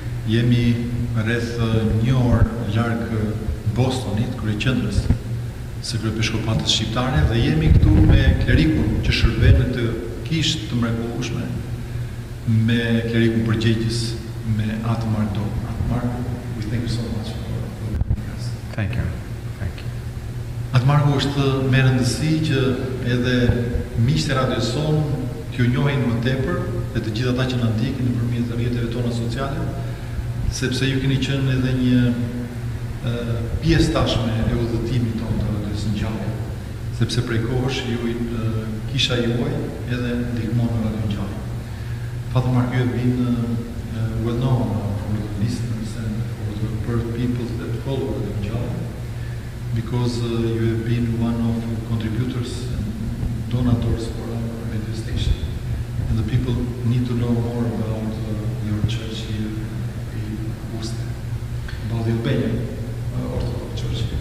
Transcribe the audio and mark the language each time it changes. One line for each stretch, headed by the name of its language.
Albanian: Jemi rreth një orë larg Bostonit, kryeqendrës së Kryepeshkopatës Shqiptare, dhe jemi këtu me klerikun që shërben në të Kishë të mrekullueshme, me klerikun përgjegjës, me Atë Mark Doku.
English: Atë Mark, we thank you so much for us. Thank you. Thank you.
Albanian: Atë Mark, është me rëndësi që edhe miqtë e radios son t'ju njohin më tepër dhe të gjithë ata që na ndjekin nëpërmjet rrjeteve tona sociale, sepse ju keni qenë edhe një pjesë tashme e udhëtimit tonë të radios Ngjallja. Sepse prej kohësh ju kisha juaj edhe ndihmon në Radio Ngjallja.
English: Atë Mark,
Albanian: ju e bënë
English: well known for the listeners and for the people that follow the job, because you have been one of the contributors and donors for our radio station, and the people need to know more about your church here in Worcester, about the Albanian Orthodox Church.